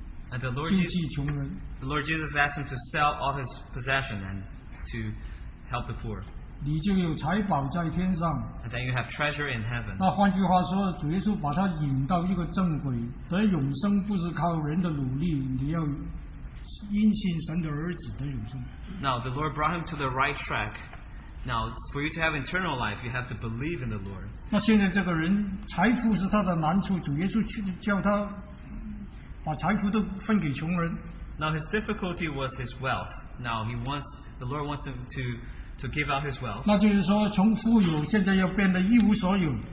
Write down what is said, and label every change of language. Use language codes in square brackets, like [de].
[en] And the Lord Jesus asked him to sell all his possession and to help the poor. [zh] 你就有财宝在天上, [en] and then you have treasure in heaven. [zh] 那换句话说, 主耶稣把他引到一个正轨, 得永生不是靠人的努力, 你要因信神的儿子得永生。 [en] Now the Lord brought him to the right track. Now for you to have eternal life, you have to believe in the Lord. [zh] 那现在这个人, 财富是他的难处, 主耶稣叫他把财富都分给穷人。 [en] Now his difficulty was his wealth. Now he wants, the Lord wants him to give out his wealth. [zh] 那就是说从富有现在要变得一无所有。